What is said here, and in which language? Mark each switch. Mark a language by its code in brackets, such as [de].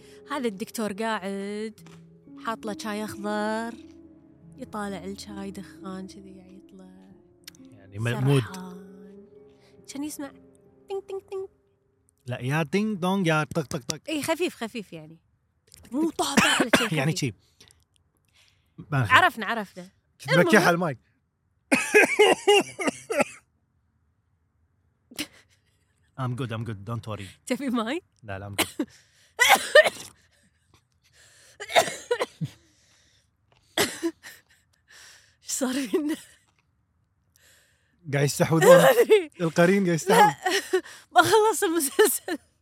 [ar] هذا الدكتور قاعد حاط له شاي أخضر يطالع الشاي دخان كذي يطلع يعني مود كان يسمع تينغ تينغ تينغ لا يا تينغ دونغ يا طق طق طق اي خفيف خفيف يعني مو طابع على شيء يعني شيء عرفنا عرفنا بكيح المايك [en] I'm good, I'm good. Don't worry. [ar] تبي ماي؟ لا لا [en] I'm good. [ar] شو صار فينا؟ قاعد يستحوذون. القرين قاعد يستحوذ. لا ما خلص المسلسل.